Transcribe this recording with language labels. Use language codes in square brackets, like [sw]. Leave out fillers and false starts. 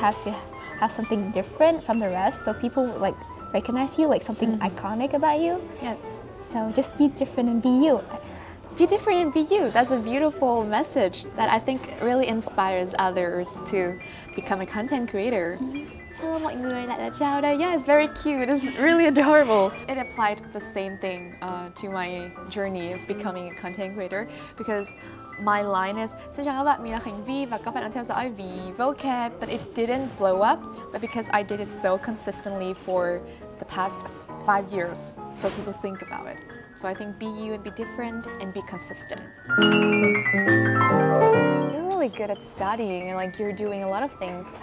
[en] Have to have something different from the rest, so people would like recognize you, like something iconic about you. Yes. So just be different and be you. Be different and be you. That's a beautiful message that I think really inspires others to become a content creator. Hello, [vi] mọi người, lại là Chào đây. [en] Yeah, it's very cute. It's really adorable. It applied the same thing to my journey of becoming a content creator because my line is [vi] Xin chào các bạn, mình là Khánh Vy và các bạn đang theo dõi Vy Vocab. [en] But it didn't blow up, but because I did it so consistently for the past 5 years, so people think about it. So I think be you and be different and be consistent. You're really good at studying and like you're doing a lot of things.